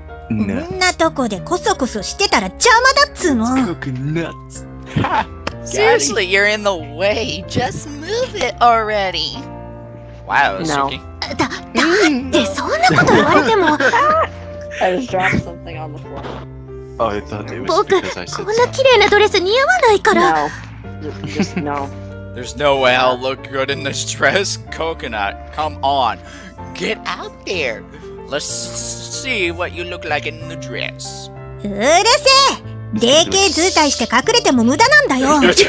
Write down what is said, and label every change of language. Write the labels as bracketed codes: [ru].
[en] Nuts. [ja] こんなとこでコソコソしてたら邪魔だっつーの! [en] Coconuts! Seriously, you're in the way. Just move it already. Wow, Suki. [ja] だってそんなこと言われても。 [en] I just dropped something on the floor. Oh, I thought it was because I said [ja] something. 僕、こんな綺麗なドレス似合わないから。 [en] No. Just no. There's no way I'll look good in this dress, Coconut. Come on. Get out there. Let's see what you look like in the dress. [ja] うるせえ。でけえ図体して隠れても無駄なんだよ。